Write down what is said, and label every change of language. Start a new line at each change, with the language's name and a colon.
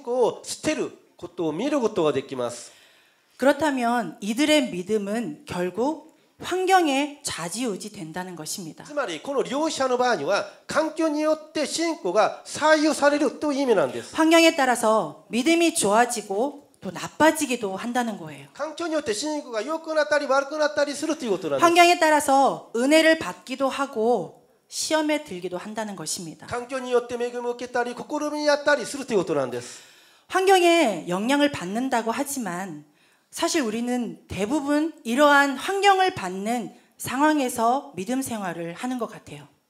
Japanese: しかし乏しくなる時にはそのような信仰を捨てることを見ることができます。
Korean: 그렇다면 이들의 믿음은 결국 환경에 좌지우지된다는 것입니다.
Japanese: つまりこの両者の場合には環境によって信仰が左右されるという意味なんです。
Korean: 환경에 따라서 믿음이 좋아지고 또 나빠지기도 한다는 거예요.
Japanese: 環境によって信仰が良くなったり悪くなったりするということなんです。
Korean: 환경에 따라서 은혜를 받기도 하고 시험에 들기도 한다는 것입니다.
Japanese: 環境によって恵みを受けたり試みにあったりするということなんです。
Korean: 환경에 영향을 받는다고 하지만 사실 우리는 대부분 이러한 환경을 받는 상황에서 믿음 생활을 하는 것 같아요.